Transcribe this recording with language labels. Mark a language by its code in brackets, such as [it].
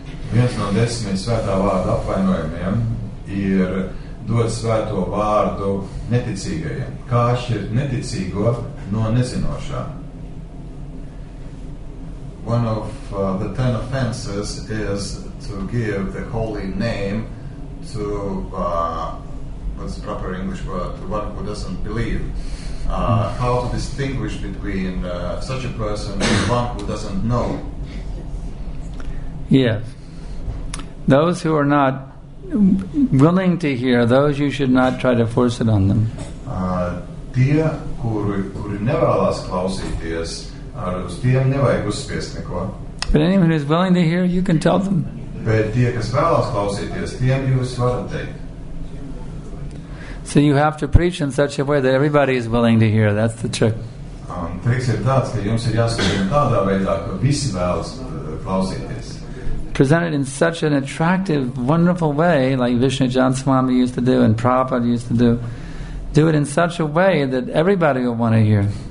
[lv] Viens no desmit svētā vārda apvainojumiem ir dot svēto vārdu neticīgajiem. Kā šķirt neticīgo no nezinošā? [en] One of the ten offenses is to give the holy name to what's the proper English word, to one who doesn't believe. How to distinguish between such a person and one who doesn't know? Yes. Those who are not willing to hear, those you should not try to force it on them. [lv] Tie, kuri nevēlās klausīties, uz tiem nevajag uzspiest neko. [en] But anyone who is willing to hear, you can tell them. [lv] Bet tie, kas vēlās klausīties, tiem jūs varat teikt. [en] So you have to preach in such a way that everybody is willing to hear. That's the trick. [lv] Triks ir tāds, ka jums ir jāsaprot tādā veidā, ka visi vēlas klausīties. [en] Presented in such an attractive, wonderful way, like Vishnu Jan Swami used to do and Prabhupada used to do. Do it in such a way that everybody will want to hear.